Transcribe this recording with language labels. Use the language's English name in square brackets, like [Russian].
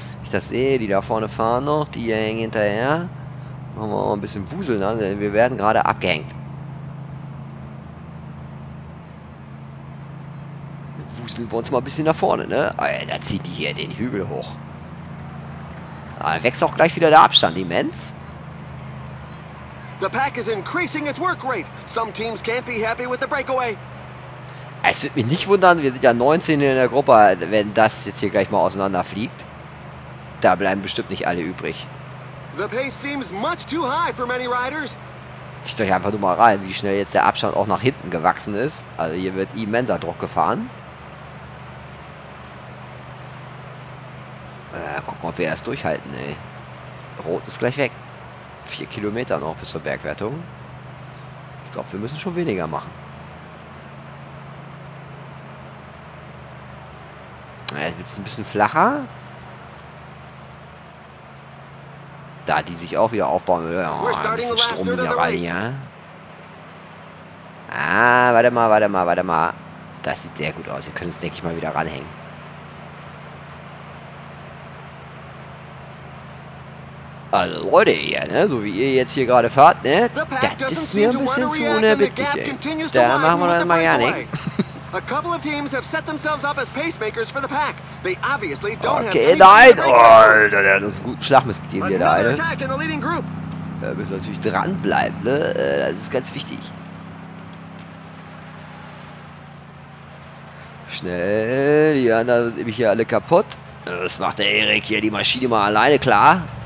[German] Ich das sehe, die da vorne fahren noch, die hängen hinterher. Machen wir mal ein bisschen Wuseln an, denn wir werden gerade abgehängt. Wuseln wir uns mal ein bisschen nach vorne, ne? Da zieht die hier den Hügel hoch. Dann wächst auch gleich wieder der Abstand immens. [English] The pack is increasing its work rate. Some teams can't be happy with the breakaway. [German] Es wird mich nicht wundern, wir sind ja 19 in der Gruppe, wenn das jetzt hier gleich mal auseinanderfliegt. Da bleiben bestimmt nicht alle übrig. [English] The pace seems much too high for many riders. [German] Zieht euch einfach nur mal rein, wie schnell jetzt der Abstand auch nach hinten gewachsen ist. Also hier wird immenser Druck gefahren. Gucken, ob wir erst durchhalten, ey. Rot ist gleich weg. 4 Kilometer noch bis zur Bergwertung. Ich glaube, wir müssen schon weniger machen. Jetzt wird es ein bisschen flacher. Da die sich auch wieder aufbauen. Oh, ein bisschen Strom in der Reihe, ja. Ah, warte mal, warte mal, warte mal. Das sieht sehr gut aus. Wir können es, denke ich, mal wieder ranhängen. Also Leute, ja, ne? So wie ihr jetzt hier gerade fahrt, ne? Das ist mir ein bisschen zu unerbittlich, ey. Da machen wir dann mal gar nichts. [English] A couple of teams have set themselves up as pacemakers for the pack. They obviously don't okay, have any... Okay, [German] nein! Alter, der hat uns einen guten Schlag missgegeben hier, der eine. Da müssen wir natürlich dranbleiben, ne? Das ist ganz wichtig. Schnell, die anderen sind nämlich hier alle kaputt. Das macht der Erik hier die Maschine mal alleine klar.